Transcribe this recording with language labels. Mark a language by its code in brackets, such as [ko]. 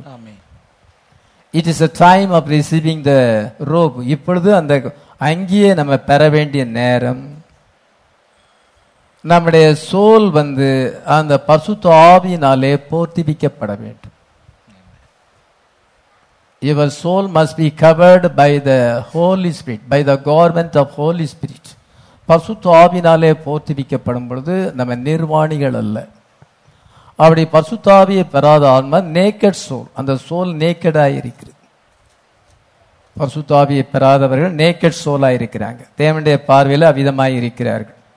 [ta] Amen. [en] It is a time of receiving the rope. [ta] இப்பொழுது அந்த அங்கியே நம்ம பெற வேண்டிய நேரம். நம்முடைய சோல் வந்து அந்த பசுத்த ஆவியினாலே போர்த்திபிக்கப்பட வேண்டும். [en] Your soul must be covered by the Holy Spirit, by the garment of Holy Spirit. [ta] பசுத்தாவினாலே போர்த்திபிக்கப்படும் பொழுது நம்ம நிர்வாணிகள் அல்ல. அப்படி பசுத்தாவியை பெறாத ஆன்மா நேக்கட் சோல், அந்த சோல் நேக்கடாயிருக்கிறது. பசுத்தாவியை பெறாதவர்கள் நேக்கட் சோலாயிருக்கிறாங்க, தேவனுடைய பார்வையில் அவிதமாக இருக்கிறார்கள்.